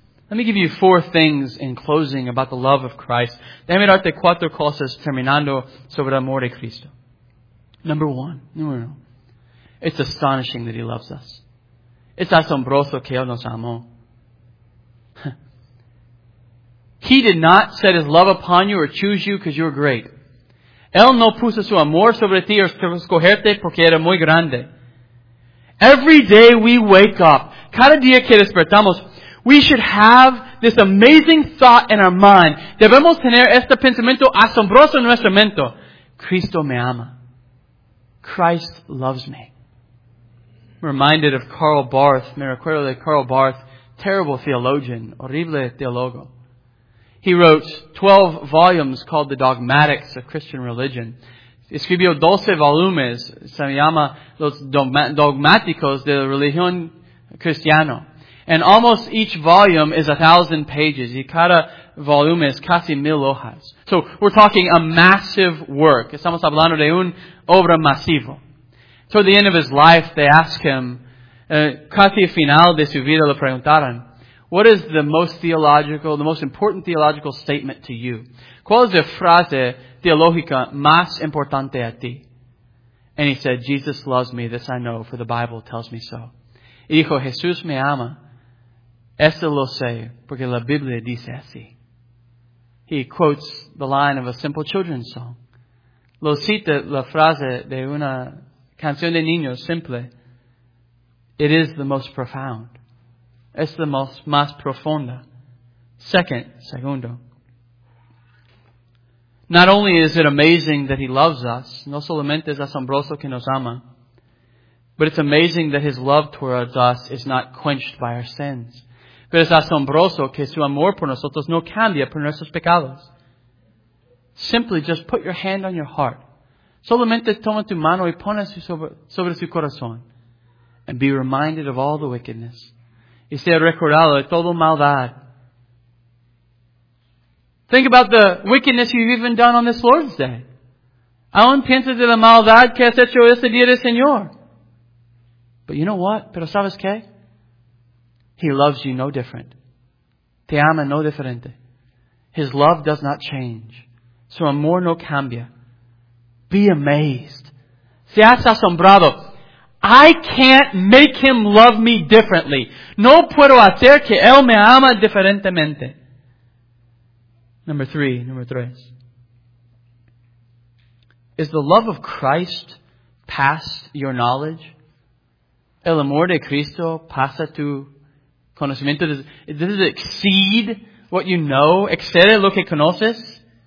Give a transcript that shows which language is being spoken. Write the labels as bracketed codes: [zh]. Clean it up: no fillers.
[en] Let me give you four things in closing about the love of Christ. [es] Déjame darte cuatro cosas terminando sobre el amor de Cristo. [en] Number one. It's astonishing that He loves us. [es] It's asombroso que Él nos amó. [en] He did not set His love upon you or choose you because you were great. [es] Él no puso su amor sobre ti o escogerte porque era muy grande. [en] Every day we wake up, [es] cada día que despertamos, [en] we should have this amazing thought in our mind. [es] Debemos tener este pensamiento asombroso en nuestra mente. Cristo me ama. [en] Christ loves me. I'm reminded of Karl Barth. [es] Me recuerdo de Karl Barth, [en] terrible theologian, [es] horrible teólogo. [en] He wrote 12 volumes called The Dogmatics of Christian Religion. [es] Escribió 12 volumes, se llama Los Dogmáticos de la Religión Cristiana. [en] And almost each volume is 1,000 pages. [es] Y cada volume es casi 1,000 hojas. [en] So we're talking a massive work. [es] Estamos hablando de un obra masivo. [en] Toward the end of his life, they ask him, [es] casi final de su vida le preguntaron, [en] what is the most theological, the most important theological statement to you? [es] ¿Cuál es la frase teológica más importante a ti? [en] And he said, Jesus loves me, this I know, for the Bible tells me so. [es] Y dijo, Jesús me ama, esto lo sé, porque la Biblia dice así. [en] He quotes the line of a simple children's song. [es] Lo cita la frase de una canción de niños, simple. [en] It is the most profound. [es] Es la más profunda. Segundo. [en] Not only is it amazing that He loves us, [es] no solamente es asombroso que nos ama, [en] but it's amazing that His love towards us is not quenched by our sins. [es] Pero es asombroso que su amor por nosotros no cambia por nuestros pecados. [en] Simply just put your hand on your heart. [es] Solamente toma tu mano y pones sobre su corazón. [en] And be reminded of all the wickedness. [es] Y sea recordado de todo maldad. [en] Think about the wickedness you've even done on this Lord's Day. [es] Aún piensas de la maldad que has hecho ese día del Señor. [en] But you know what? [es] Pero sabes qué? [en] He loves you no different. [es] Te ama no diferente. [en] His love does not change. [es] Su amor no cambia. [en] Be amazed. [es] Seas asombrado. [en] I can't make him love me differently. [es] No puedo hacer que él me ama diferentemente. [en] Number three. Is the love of Christ past your knowledge? [es] El amor de Cristo pasa tu conocimiento. [en] Does it exceed what you know? [es] Excede lo que conoces?